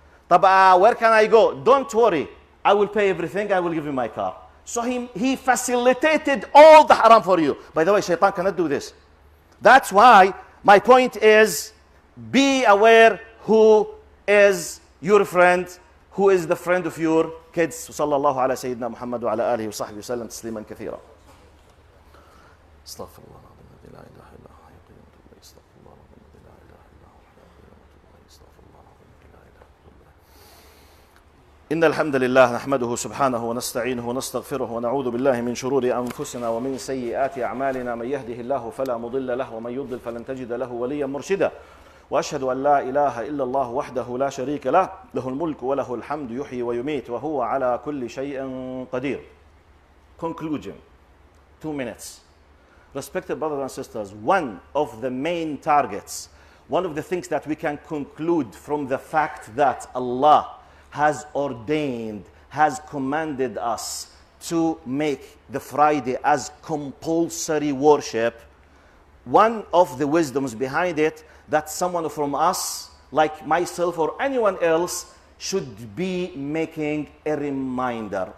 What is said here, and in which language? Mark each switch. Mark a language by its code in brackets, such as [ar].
[en] Taba, where can I go? Don't worry. I will pay everything. I will give you my car. So he facilitated all the haram for you. By the way, shaitan cannot do this. That's why my point is, be aware who is your friend, who is the friend of your kids. [ar] صلى الله على سيدنا محمد وعلى آله وصحبه وسلم تسليما كثيرا. استغفر الله العظيم الذي لا إله إلا هو الحي القيوم تب إليه. استغفر الله العظيم الذي لا إله إلا هو الحي القيوم تب إليه. استغفر الله العظيم الذي لا إله إلا هو. إن الحمد لله نحمده سبحانه ونستعينه ونستغفره ونعوذ بالله من شرور أنفسنا ومن سيئات أعمالنا. من يهده الله فلا مضل له ومن يضلل فلن تجد له وليا مرشدا. وأشهد أن لا إله إلا الله وحده لا شريك له، له الملك وله الحمد يحيي ويميت وهو على كل شيء قدير. [en] Conclusion, 2 minutes. Respected brothers and sisters, one of the main targets, one of the things that we can conclude from the fact that Allah has ordained, has commanded us to make the Friday as compulsory worship, one of the wisdoms behind it, that someone from us, like myself or anyone else, should be making a reminder.